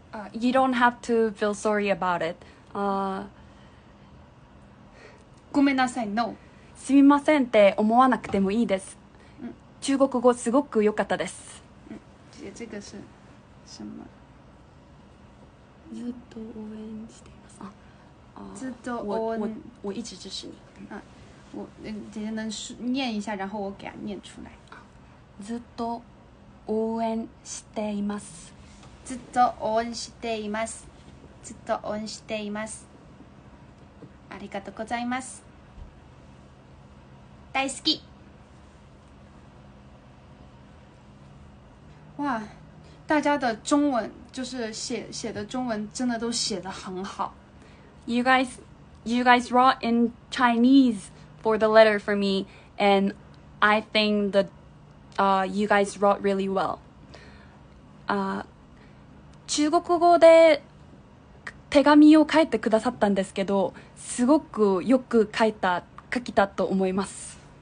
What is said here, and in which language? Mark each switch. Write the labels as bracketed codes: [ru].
[en] You don't have to feel sorry about it. [ja] ごめんなさい、 [en] no. [ja] すみませんって思わなくてもいいです。中国語すごく良かったです。 [zh] 这个是什么？ [ja] ずっと応援しています。ずっと応援。 [zh] 我一直支持你。我姐姐能念一下，然后我给它念出来。 [ja] ずっと応援しています。ずっと応援しています。ずっと応援しています。ありがとうございます。大好き。 [zh] 哇，大家的中文就是写的中文真的都写得很好。 [en] You guys wrote in Chinese for the letter for me, and I think theyou guys wrote really well. [ja] 中国語で手紙を書いてくださったんですけど、すごくよく書きたと思います。